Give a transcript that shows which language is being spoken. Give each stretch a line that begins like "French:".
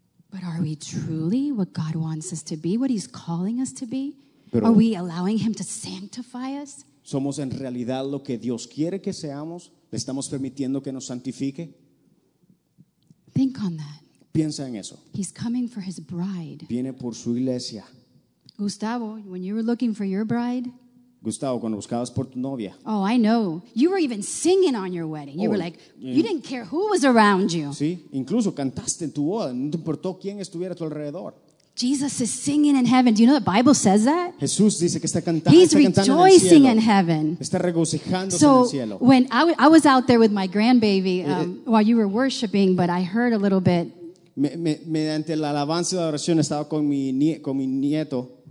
English: But are we truly what God wants us to be, what He's calling us to be?
Spanish: Pero
English: are we allowing Him to sanctify us?
Spanish: ¿Somos en realidad lo que Dios quiere que seamos? ¿Le estamos permitiendo que nos santifique?
English: Think on that.
Spanish: Piensa en eso.
English: He's coming for His bride.
Spanish: Viene por su iglesia.
English: Gustavo, when you were looking for your bride,
Spanish: Gustavo, cuando buscabas por tu novia.
English: Oh, I know. You were even singing on your wedding. You were like, you didn't care who was around you.
Spanish: Sí, incluso cantaste en tu boda. No te importó quién estuviera a tu alrededor.
English: Jesus is singing in heaven. Do you know the Bible says that?
Spanish: Jesús dice que está cantando.
English: He's
Spanish: está
English: rejoicing
Spanish: en el cielo.
English: In heaven.
Spanish: Está regocijándose
English: so
Spanish: en el cielo.
English: So when I was out there with my grandbaby while you were worshiping, but I heard a little bit.
Spanish: Mediante la alabanza y la oración estaba con mi nieto.